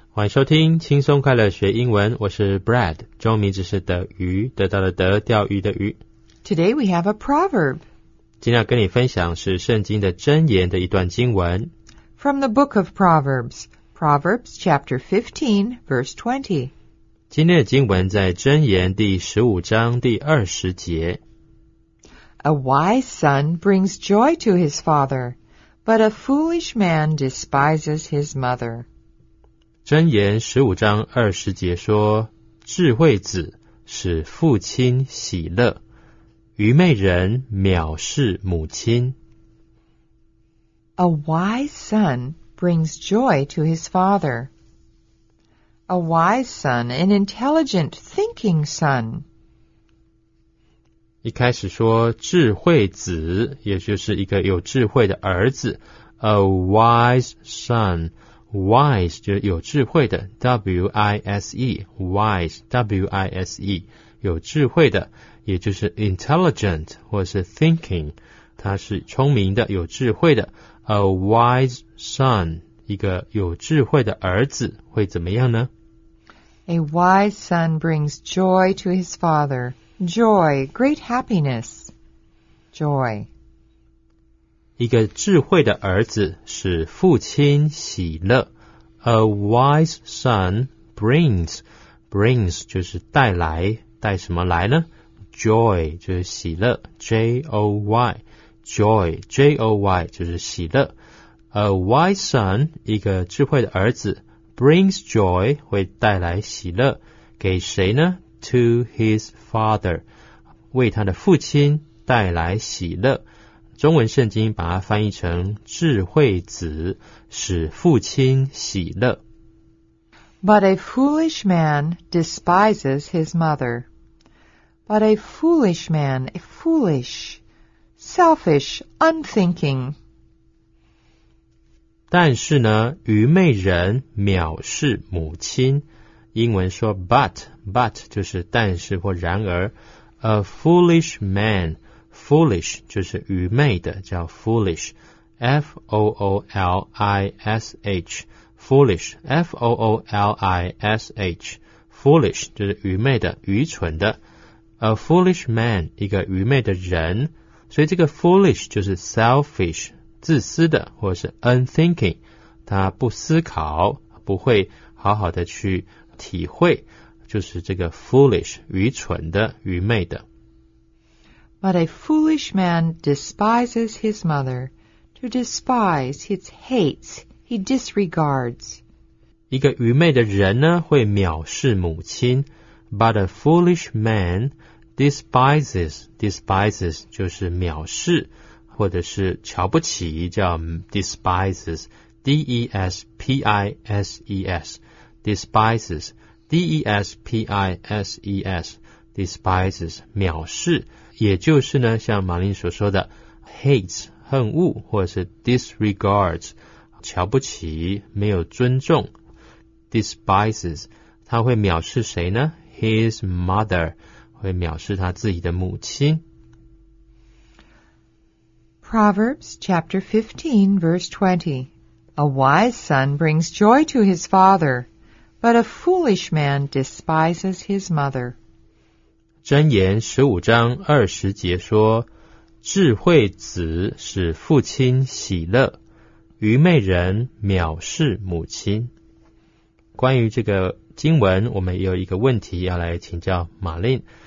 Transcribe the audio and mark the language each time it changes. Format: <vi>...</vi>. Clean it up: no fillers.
<zh>欢迎收听轻松快乐学英文。我是 Brad, 中文名字是德鱼，得到的德，钓鱼的鱼。</zh> <en>Today we have a proverb.</en> <zh>今天要跟你分享是圣经的箴言的一段经文。</zh> <en>From the book of Proverbs, Proverbs chapter 15, verse 20.</en> <zh>今天的经文在箴言第15章第20节。</zh> <en>A wise son brings joy to his father. But a foolish man despises his mother.</en> <zh>箴言十五章二十节说，智慧子使父亲喜乐，愚昧人藐视母亲。</zh> <en>A wise son brings joy to his father. A wise son, an intelligent thinking son.</en> <zh>一开始说智慧子，也就是一个有智慧的儿子 ，</zh> <en>a wise son,</en> <zh>wise 就是有智慧的 ，w-i-s-e, wise, w-i-s-e, 有智慧的，也就是 intelligent 或是 thinking, 他是聪明的，有智慧的 ，a wise son, 一个有智慧的儿子会怎么样呢</zh> <en>？A wise son brings joy to his father. Joy, great happiness. Joy.</en> <zh>一个智慧的儿子使父亲喜乐。</zh> <en>A wise son brings</en> <zh>就是带来，带什么来呢？ Joy 就是喜乐， J-O-Y, joy, J-O-Y 就是喜乐。</zh> <en>A wise son,</en> <zh>一个智慧的儿子</zh> <en>brings joy,</en> <zh>会带来喜乐，给谁呢？</zh> <en>To his father,</en> <zh>为他的父亲带来喜乐。中文圣经把它翻译成智慧子使父亲喜乐。</zh> <en>But a foolish man despises his mother. But a foolish man, a foolish, selfish, unthinking.</en> <zh>但是呢，愚昧人藐视母亲。英文说 but 就是但是或然而 ，</zh> <en>a foolish man,</en> <zh>foolish 就是愚昧的，叫 foolish, f o o l i s h, foolish, f o o l i s h, foolish 就是愚昧的，愚蠢的，</zh> <en>a foolish man</en> <zh>一个愚昧的人，所以这个 foolish 就是 selfish 自私的，或是 unthinking 他不思考，不会好好的去。体会就是这个 foolish, 愚蠢的，愚昧的。</zh> <en>But a foolish man despises his mother. To despise, he hates, he disregards.</en> <zh>一个愚昧的人呢，会藐视母亲。</zh> <en>But a foolish man despises</en> <zh>就是藐视，或者是瞧不起，叫 despises, D-E-S-P-I-S-E-S, despises. D-E-S-P-I-S-E-S, despises, 藐视，也就是呢，像马林所说的 hates, 恨恶，或者是 disregards, 瞧不起，没有尊重 despises, 他会藐视谁呢 ?</zh> <en>His mother,</en> <zh>会藐视他自己的母亲。</zh> <en>Proverbs chapter 15, verse 20. A wise son brings joy to his father. But a foolish man despises his mother.</en> <zh>箴言十五章二十节说，智慧子使父亲喜乐，愚昧人藐视母亲。关于这个经文，我们有一个问题要来请教马令。</zh>